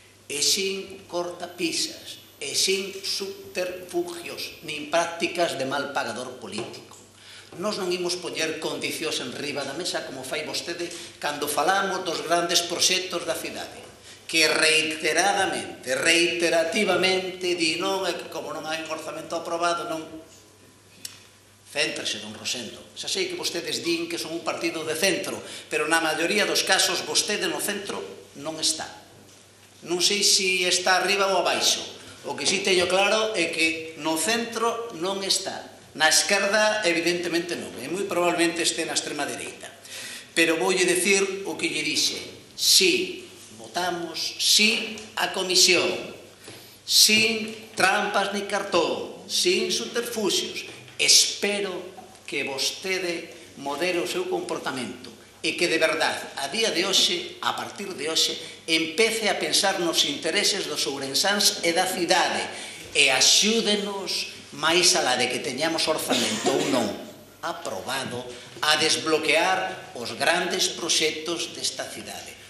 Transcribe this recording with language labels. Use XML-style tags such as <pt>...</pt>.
<gl>E sin cortapisas, e sin subterfugios, nin prácticas de mal pagador político. Nos non imos poñer condicións en riba da mesa, como fai vostede, cando falamos dos grandes proxectos da cidade, que reiteradamente, reiterativamente, di non, e que como non hai orzamento aprobado, non. Céntrese, don Rosendo. Xa sei que vostedes din que son un partido de centro, pero na maioría dos casos vostede no centro non está. Non sei se está arriba ou abaixo. O que sí teño claro é que no centro non está. Na esquerda, evidentemente, non. E moi probablemente este na extrema dereita. Pero voulle dicir o que lle dixe. Sí, votamos sí a comisión.</gl> <es>Sin trampas ni cartón, sin subterfugios.</es> <gl>Espero que vostede modere o seu comportamento e que de verdad, a día de hoxe, a partir de hoxe, empece a pensar nos intereses dos ourensáns e da cidade e axúdenos máis alá de que teñamos orzamento ou non aprobado a desbloquear os grandes proxectos desta cidade.</gl>